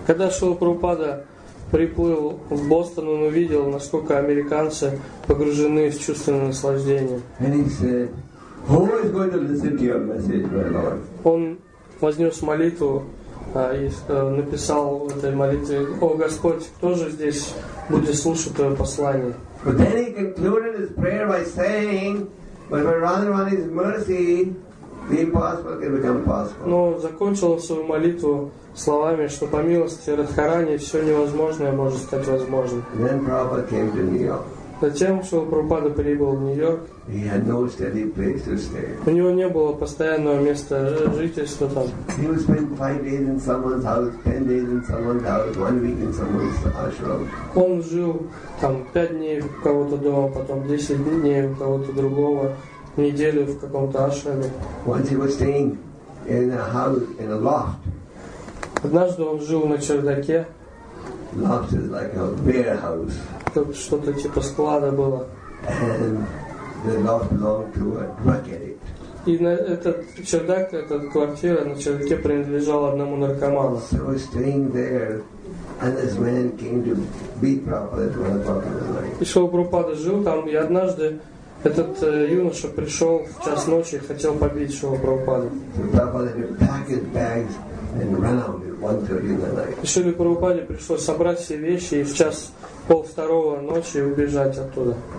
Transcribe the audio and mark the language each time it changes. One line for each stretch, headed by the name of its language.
Russian: Когда Шрила Прабхупада приплыл в Бостон, он увидел, насколько американцы погружены в чувственное наслаждение.
English: And he said, "Who is going to listen to your message, my Lord?"
Russian: Он вознес молитву и написал в этой молитве: «О Господь, кто же здесь будет слушать твое послание?»
English: But then he concluded his prayer by saying, "But by Radharani's mercy." The impossible can become possible.
Russian: Но закончил свою молитву словами, что по милости Радхарани все невозможное может стать возможным.
English: Then Prabhupada came to New York.
Russian: Затем Шрила Прабхупада прибыл в Нью-Йорк.
English: He had no steady place to stay.
Russian: У него не было постоянного места жительства там.
English: He would spend 5 days in someone's house, 10 days in someone's house, 1 week in someone's ashram.
Russian: Он жил там 5 дней у кого-то дома, потом 10 дней у кого-то другого, неделю в каком-то ашраме.
English: Once he was staying in a house in a loft.
Russian: Однажды он жил на чердаке.
English: Loft is like a warehouse.
Russian: Тут что-то типа склада было.
English: And the loft belonged to a drug addict.
Russian: И на этот чердак, эта квартира на чердаке принадлежала одному наркоману.
English: So he was staying there, and this man came to beat Prabhupada at 1 o'clock in the night.
Russian: И Шрила Прабхупада жил там, и однажды этот юноша пришел в час ночи и хотел побить Шрила Прабхупаду.
English: So Prabhupada had packed bags and ran out.
Russian: И Шриле Прабхупаде пришлось собрать все вещи и в час полвторого ночи убежать оттуда.